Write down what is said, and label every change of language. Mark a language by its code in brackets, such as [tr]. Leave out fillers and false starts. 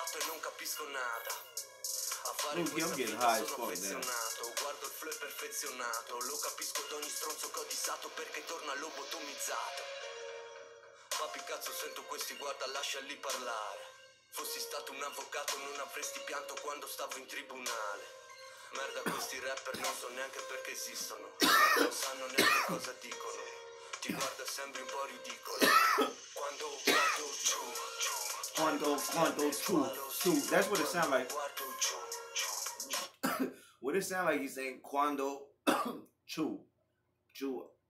[en] Luke, I'm getting high as fuck, man. [it] Guardo il flow perfezionato, lo capisco da ogni stronzo che ho dissato, perché torna lobotomizzato. Papi cazzo, sento questi, guarda, lasciali parlare. Fossi stato un avvocato non avresti pianto quando stavo in tribunale. Merda, questi rapper non so neanche perché esistono, non sanno neanche cosa dicono. Ti guarda sempre un po' ridicolo quando guardo giù, quando giù, giù. [en] That's what it sound like. [it] Guardo giù. [en] What it sound like he's saying, quando, chu, chu.